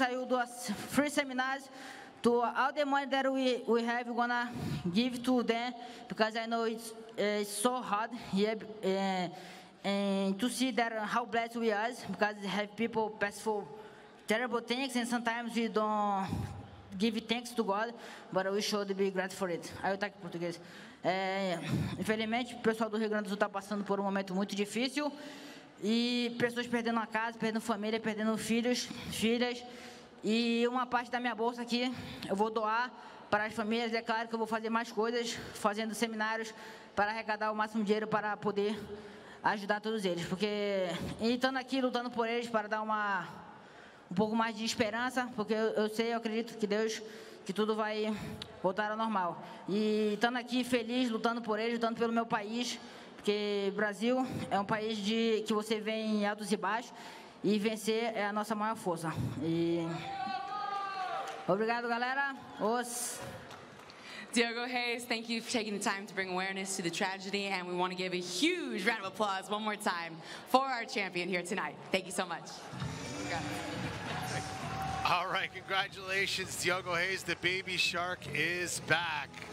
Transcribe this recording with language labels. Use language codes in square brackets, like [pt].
[en] I will do a free seminars to all the money that we have, we're gonna give to them because I know it's so hard here and to see that how blessed we are because we have people pass for terrible things and sometimes we don't give thanks to God, but we should be grateful for it. I will talk in Portuguese. [pt] Infelizmente, o pessoal do Rio Grande do Sul está passando por um momento muito difícil. E pessoas perdendo a casa, perdendo família, perdendo filhos, filhas. E uma parte da minha bolsa aqui eu vou doar para as famílias. É claro que eu vou fazer mais coisas, fazendo seminários para arrecadar o máximo dinheiro para poder ajudar todos eles. Porque estando aqui, lutando por eles, para dar um pouco mais de esperança, porque eu sei, eu acredito que Deus, que tudo vai voltar ao normal. E estando aqui feliz, lutando por eles, lutando pelo meu país, porque Brasil é país que você vem em altos e baixos e vencer é a nossa maior força. E obrigado, galera. Os [en] Diogo Reis, thank you for taking the time to bring awareness to the tragedy and we want to give a huge round of applause one more time for our champion here tonight. Thank you so much. All right, congratulations, Diogo Reis, the Baby Shark is back.